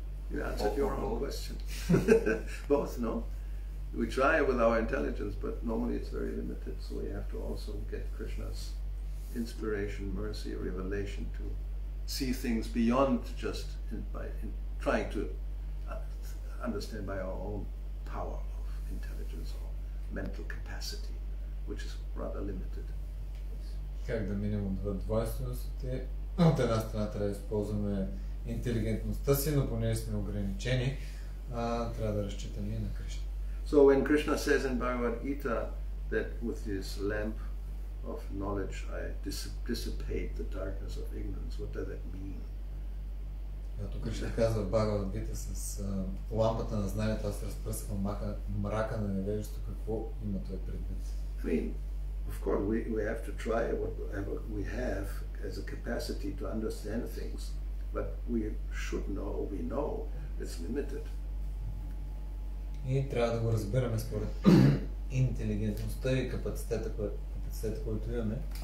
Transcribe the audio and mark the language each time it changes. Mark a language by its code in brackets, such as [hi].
[en] You answered your own question. Both, no. We try with our intelligence, but normally it's very limited, so we have to also get Krishna's inspiration, mercy, revelation to see things beyond just trying to understand by our own power of intelligence or mental capacity, which is rather limited. [bg] Как да минем от двойствеността? От една страна трябва да използваме интелигентността си, но понеже сме ограничени, трябва да разчитаме на Кришна. [en] So when Krishna says in Bhagavad Gita that with his lamp of knowledge, I dissipate the darkness of ignorance. What does that mean? [bg] Като Кришна казва Бхагавад Гита с лампата на знанието, аз разпръсвам мрака на невежеството, какво има той предвид? [en] I mean, of course, we have to try whatever we have as a capacity to understand things, but we should know, we know it's limited. [bg] И трябва да го разбираме според интелигентността и капацитета, който имаме.